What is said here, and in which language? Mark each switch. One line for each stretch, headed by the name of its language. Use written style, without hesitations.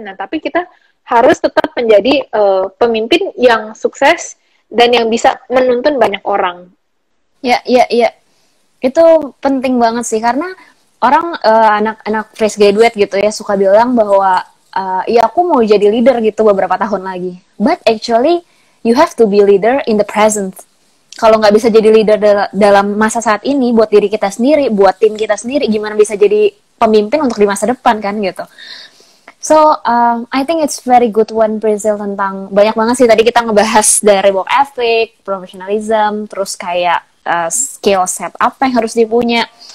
Indonesian: Nah, tapi kita harus tetap menjadi pemimpin yang sukses dan yang bisa menuntun banyak orang. Ya. Itu penting banget sih, karena orang anak-anak fresh graduate gitu ya suka bilang bahwa ya aku mau jadi leader gitu beberapa tahun lagi.
English: But actually you have to be leader in the present.
Indonesian: Kalau nggak bisa jadi leader dalam masa saat ini buat diri kita sendiri, buat tim kita sendiri, gimana bisa jadi pemimpin untuk di masa depan kan gitu.
English: So I think it's very good one,
Indonesian: Brazil, tentang banyak banget sih tadi kita ngebahas dari work ethic, professionalism, terus kayak skill set apa yang harus dipunya.